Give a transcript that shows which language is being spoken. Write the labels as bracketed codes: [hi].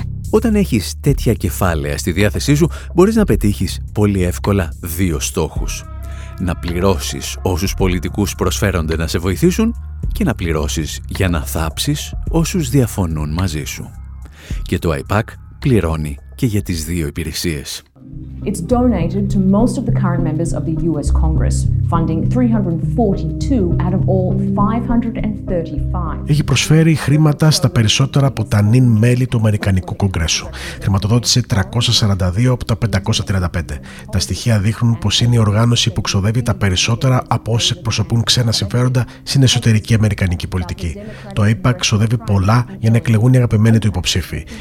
[el] Όταν έχεις τέτοια κεφάλαια στη διάθεσή σου, μπορείς να πετύχεις πολύ εύκολα δύο στόχους. Να πληρώσεις όσους πολιτικούς προσφέρονται να σε βοηθήσουν και να πληρώσεις για να θάψεις όσους διαφωνούν μαζί σου. Και το IPAC πληρώνει και για τις δύο υπηρεσίες. [en] It's donated to most of the current members of the US Congress, funding 342 out of all 535. [el] Έχει προσφέρει χρήματα στα περισσότερα από τα νυν μέλη του Αμερικανικού Κογκρέσου. Χρηματοδότησε 342 από τα 535. Τα στοιχεία δείχνουν πως είναι η οργάνωση που ξοδεύει τα περισσότερα από όσους εκπροσωπούν ξένα συμφέροντα στην εσωτερική Αμερικανική πολιτική. Το APAC ξοδεύει πολλά για να εκλεγούν οι αγαπημένοι του υποψήφοι.